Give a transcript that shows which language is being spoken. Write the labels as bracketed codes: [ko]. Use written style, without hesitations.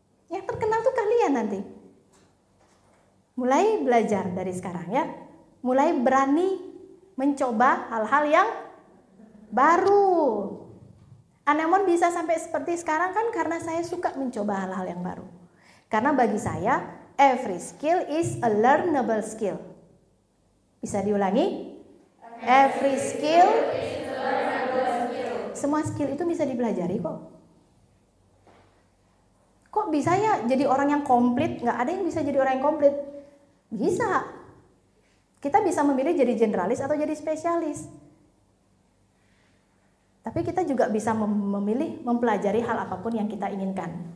[id] Yang terkenal tuh kalian nanti. Mulai belajar dari sekarang ya. Mulai berani mencoba hal-hal yang baru. Anemon bisa sampai seperti sekarang kan karena saya suka mencoba hal-hal yang baru. Karena bagi saya, [en] every skill is a learnable skill. [id] Bisa diulangi? [en] Every skill is a learnable skill. [id] Semua skill itu bisa dipelajari kok. Kok bisa ya jadi orang yang komplit? Gak ada yang bisa jadi orang yang komplit. Bisa. Kita bisa memilih jadi generalis atau jadi spesialis. Tapi kita juga bisa memilih mempelajari hal apapun yang kita inginkan.